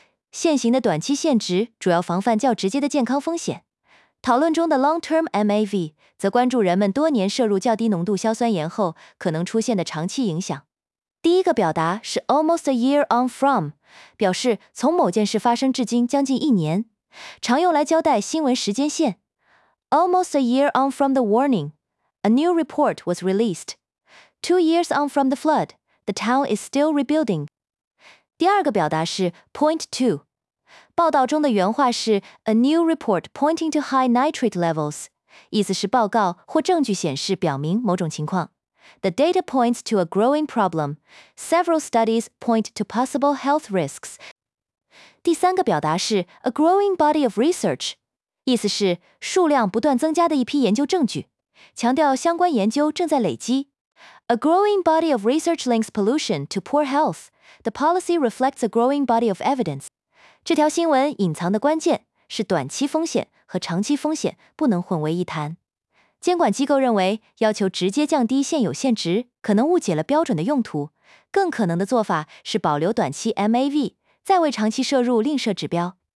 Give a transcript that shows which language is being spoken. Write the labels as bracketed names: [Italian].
[Chinese] 现行的短期限值主要防范较直接的健康风险，讨论中的 Long-Term MAAV 则关注人们多年摄入较低浓度硝酸盐后可能出现的长期影响。第一个表达是 [English] Almost a year on from， [Chinese] 表示从某件事发生至今将近一年，常用来交代新闻时间线。 [English] Almost a year on from the warning, a new report was released. 2 years on from the flood, the town is still rebuilding. [Chinese] 第二个表达是 [English] Point to， [Chinese] 报道中的原话是 [English] A new report pointing to high nitrate levels， [Chinese] 意思是报告或证据显示表明某种情况。 [English] The data points to a growing problem. Several studies point to possible health risks. [Chinese] 第三个表达是 [English] A growing body of research， [Chinese] 意思是数量不断增加的一批研究证据，强调相关研究正在累积。 [English] A growing body of research links pollution to poor health. The policy reflects a growing body of evidence. [Chinese] 这条新闻隐藏的关键是短期风险和长期风险不能混为一谈。监管机构认为，要求直接降低现有限值可能误解了标准的用途，更可能的做法是保留短期 MAV， 再为长期摄入另设指标。